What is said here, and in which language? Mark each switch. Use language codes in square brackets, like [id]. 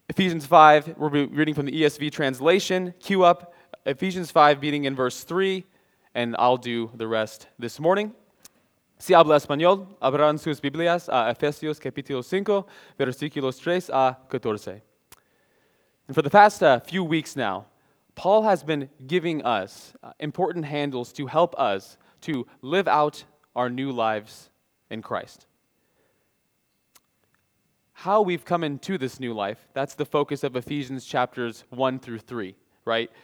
[en] Ephesians 5, we'll be reading from the ESV translation. Cue up Ephesians 5, beginning in verse 3, and I'll do the rest this morning. [es] Si habla español, abran sus Biblias a Efesios capítulo 5, versículos 3 a 14. [en] And for the past few weeks now, Paul has been giving us important handles to help us to live out our new lives in Christ. How we've come into this new life, that's the focus of Ephesians chapters 1 through 3, right?